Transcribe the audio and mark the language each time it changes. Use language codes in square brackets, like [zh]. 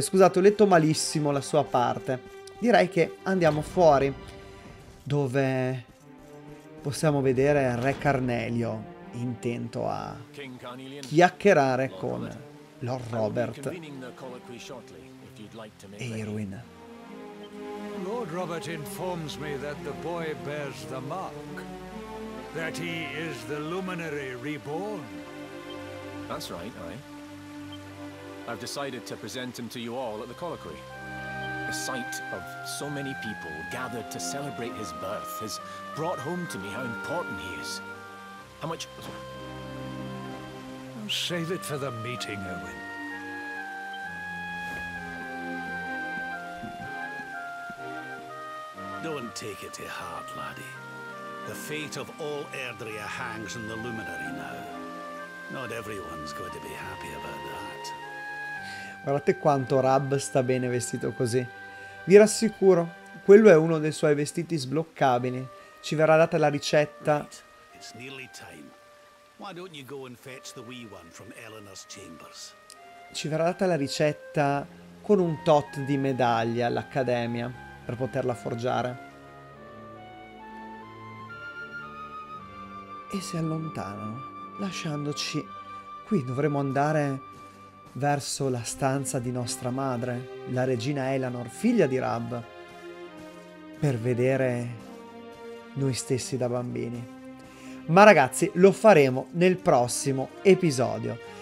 [it] Scusate, ho letto malissimo la sua parte. Direi che andiamo fuori, dove possiamo vedere Re Carnelio intento a chiacchierare con Lord Robert e Irwin. [en] Lord Robert informs me that the boy bears the mark, that he is the Luminary reborn. That's right, aye. I've decided to present him to you all at the colloquy. The sight of so many people gathered to celebrate his birth has brought home to me how important he is. How much... Save it for the meeting, Irwin. Don't take it to heart, laddie. The fate of all Erdrea hangs in the Luminary now. Not everyone's going to be happy about that. [it] Guardate quanto Rab sta bene vestito così. Vi rassicuro, quello è uno dei suoi vestiti sbloccabili. Ci verrà data la ricetta. [en] Right. It's nearly time. Why don't you go and fetch the wee one from Eleanor's chambers? [it] Ci verrà data la ricetta con un tot di medaglia all'Accademia. Per poterla forgiare. E si allontanano, lasciandoci qui. Dovremo andare verso la stanza di nostra madre, la regina Eleanor, figlia di Rab, per vedere noi stessi da bambini. Ma ragazzi, lo faremo nel prossimo episodio.